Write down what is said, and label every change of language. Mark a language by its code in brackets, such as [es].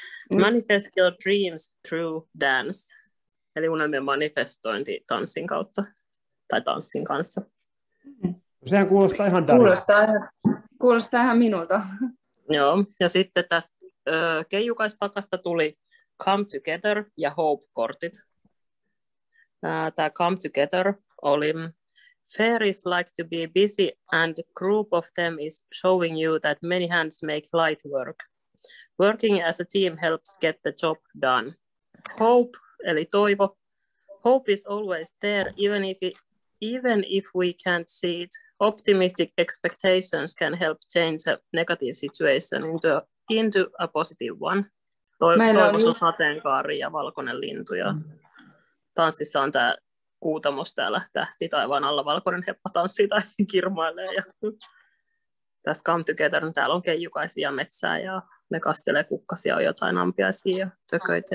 [en] Manifest your dreams through dance. [fi] Eli unelmien manifestointi tanssin kautta tai tanssin kanssa. Sehän kuulostaa ihan Darjalta. Kuulostaa ihan minulta. Joo, ja sitten tästä keijukaispakasta tuli Come Together ja Hope-kortit. Tämä [en] Come Together [fi] oli [en] Fairies like to be busy and a group of them is showing you that many hands make light work. Working as a team helps get the job done. Hope. [fi] Eli toivo. [en] Hope is always there, even if we can't see it. Optimistic expectations can help change a negative situation into a positive one. [fi] Toivo on sateenkaari ja valkoinen lintu. Ja tanssissa on tämä kuutamos täällä, tähti taivaan alla, valkoinen heppa tanssii tai kirmailee. Ja tässä Come Together, täällä on keijukaisia metsää ja ne kastelee kukkasia, on jotain ampiaisia ja tököitä.